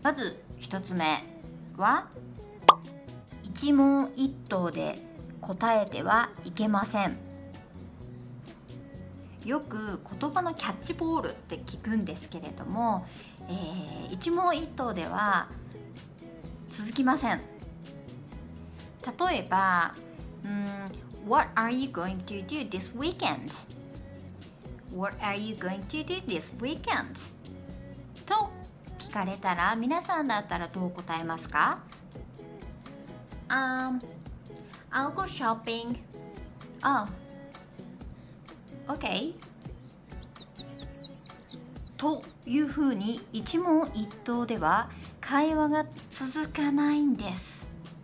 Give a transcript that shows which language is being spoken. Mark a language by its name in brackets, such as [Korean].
[Japanese] まず一つ目は、一問一答で答えてはいけません。よく言葉のキャッチボールって聞くんですけれども、一問一答では続きません。 [English] 例えば、What are you going to do this weekend? What are you going to do this weekend? [Japanese] と聞かれたら、皆さんだったらどう答えますか？ [English] I'll go shopping. Oh. Okay. [Japanese] というふうに一問一答では会話が続かないんです。